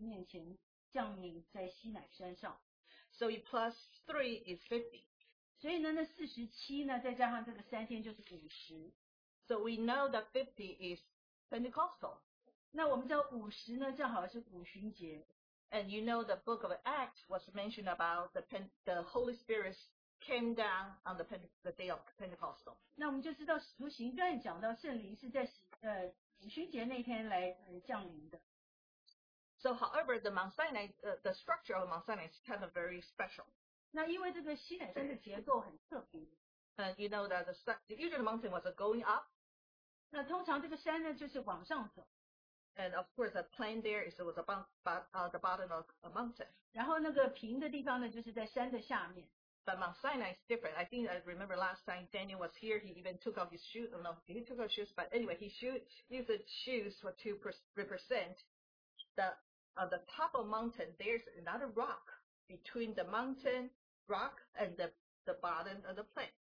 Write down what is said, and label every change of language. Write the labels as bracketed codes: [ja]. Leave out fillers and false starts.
[zh] 到了第三天要预备好，因为第三天耶和华要在众百姓面前降临在西乃山上。 [en] So you plus 3 is 50. [zh] 所以呢，那47呢，再加上这个三天就是50。 [en] So we know that 50 is Pentecostal. [zh] 那我们知道50呢，正好是五旬节。 [en] And you know the book of Acts was mentioned about the Holy Spirit's came down on the day of Pentecostal. [zh] 那我们就知道《使徒行传》讲到圣灵是在五旬节那天来降临的。 [en] So however, the Mount Sinai, the structure of Mount Sinai is kind of very special. [zh] 那因为这个西乃山的结构很特别。 [en] And you know that the usual mountain was going up. [zh] 那通常这个山呢就是往上走。 [en] And of course, the plain there is was the bottom of a mountain. [zh] 然后那个平的地方呢就是在山的下面。 [en] But Mount Sinai is different. I think I remember last time Daniel was here, he even took off his shoes. I don't know if he took off shoes, but anyway, he used shoes to represent the top of mountain. There's another rock between the mountain rock and the bottom of the plain.